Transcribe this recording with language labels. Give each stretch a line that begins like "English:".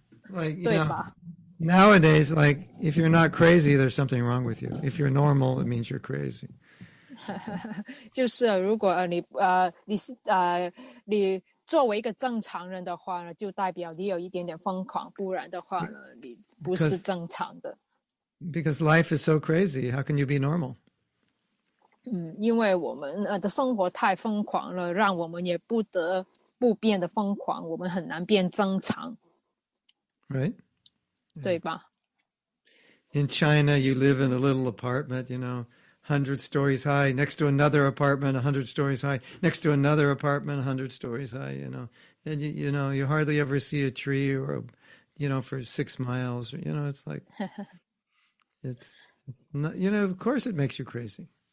English: Like, you know, nowadays, like if you're not crazy, there's something wrong with you. If you're normal, it means you're crazy.
Chinese: 就是如果你作为一个正常人的话呢，就代表你有一点点疯狂，不然的话呢，你不是正常的。
English: Because life is so crazy, how can you be normal?
Chinese: 因为我们的生活太疯狂了，让我们也不得不变得疯狂，我们很难变正常。
English: Right? Yeah.
Chinese: 对吧?
English: In China, you live in a little apartment, you know. 100 stories high, next to another apartment, 100 stories high, next to another apartment, 100 stories high, you know. And, you know, you hardly ever see a tree or, a, you know, for 6 miles. You know, it's like, it's not, you know, of course it makes you crazy.